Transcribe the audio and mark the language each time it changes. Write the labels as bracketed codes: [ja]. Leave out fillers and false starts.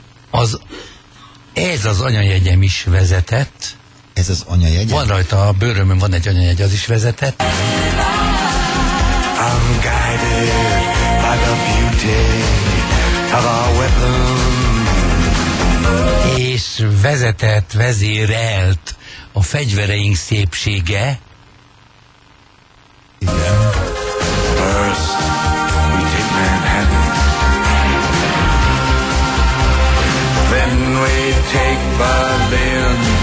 [hu] Az, ez az anyajegyem is vezetett. Ez az anyajegyem? Van rajta, a bőrömön van egy anyajegy, az is vezetett. [en] I'm guided by the beauty of our weapon. [hu] És vezetett, vezérelt a fegyvereink szépsége. Igen. [en] First, we take Manhattan. Then we take Berlin.